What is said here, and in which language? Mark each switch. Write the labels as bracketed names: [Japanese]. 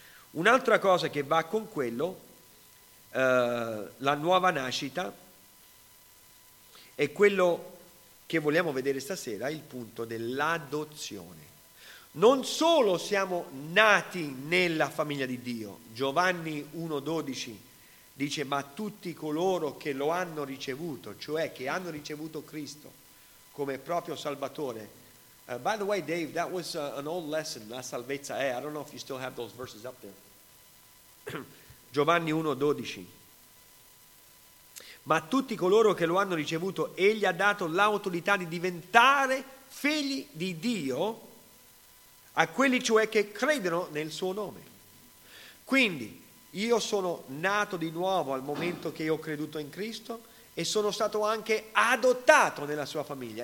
[Italian] Un'altra cosa che va con quello, la nuova nascita, è quello che vogliamo vedere stasera, il punto dell'adozione. Non solo siamo nati nella famiglia di Dio, Giovanni 1,12 dice: ma tutti coloro che lo hanno ricevuto, cioè che hanno ricevuto Cristo come proprio Salvatore. [English] By the way, Dave, that was an old lesson, [Italian] la salvezza è, [English] I don't know if you still have those verses up there. [Italian] Giovanni 1,12. Ma tutti coloro che lo hanno ricevuto, egli ha dato l'autorità di diventare figli di Dio a quelli cioè che credono nel suo nome. Quindi, io sono nato di nuovo al momento che io ho creduto in Cristo e sono stato anche adottato nella sua famiglia.